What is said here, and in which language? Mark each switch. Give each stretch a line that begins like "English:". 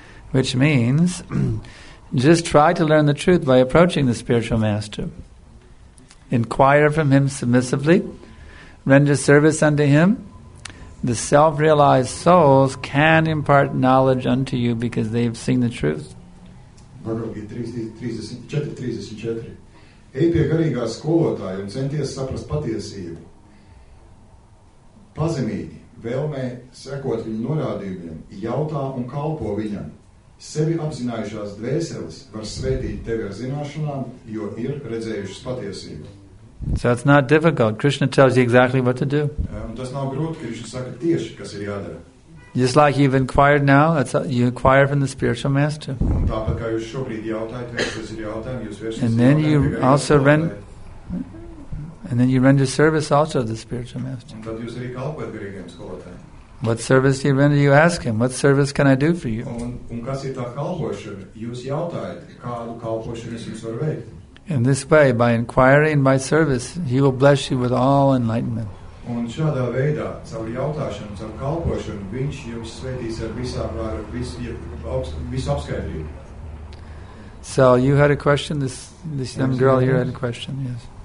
English: Which means, just try to learn the truth by approaching the spiritual master. Inquire from him submissively. Render service unto him. The self-realized souls can impart knowledge unto you because they have seen the truth. Bhagavad Gita 4.34.
Latvian: Ej pie garīgā skolotāja un centies saprast patiesību. Pazemīgi, vēlmē sekot viņu norādījumiem, jautā un kalpo viņam. Sevi apzinājušās dvēseles var svētīt tevi ar zināšanām, jo ir redzējušas patiesību.
English: So it's not difficult. Krishna tells you exactly what to do.
Latvian: Tas nav grūti, Krishna saka tieši, kas ir jādara.
English: Just like you've inquired now, you inquire from the spiritual master.
Latvian: Un tāpat kā jūs šobrīd jautājat, kas ir jautājumi, jūs vēršaties.
English: And then you also render service also to the spiritual master.
Latvian: Un tad jūs arī kalpojat garīgiem skolotājiem.
English: What service do you render? You ask him, what service can I do for you?
Latvian: Un kas ir tā kalpošana? Jūs jautājat, kādu kalpošanu es jums varu veikt.
English: In this way, by inquiry and by service, he will bless you with all enlightenment.
Latvian: Un šādā veidā, savu jautāšanu, savu kalpošanu, viņš jums svētīs ar visu apskaidrību.
English: So, you had a question? This young girl here had a question, yes.